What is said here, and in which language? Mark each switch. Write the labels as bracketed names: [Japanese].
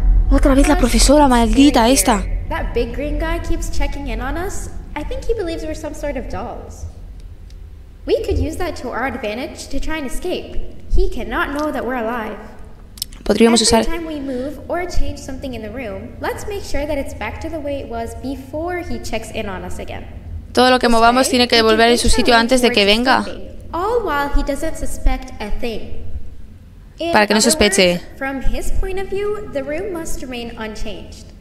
[Spanish] Otra vez la profesora maldita esta. [English] That big green guy keeps checking in on us. I think he believes we're some sort of dolls. We could use that to our advantage to try and escape. He cannot know that we're alive. [Spanish] Podríamos usar. [English] Every time we move or change something in the room, let's make sure that it's back to the way it was before he checks in on us again. [Spanish] Todo lo que movamos okay, tiene que devolver en su sitio antes de que venga. [English] All while he doesn't suspect a thing. [Spanish] Para que no sospeche. [English] Words, from his point of view, the room must remain unchanged.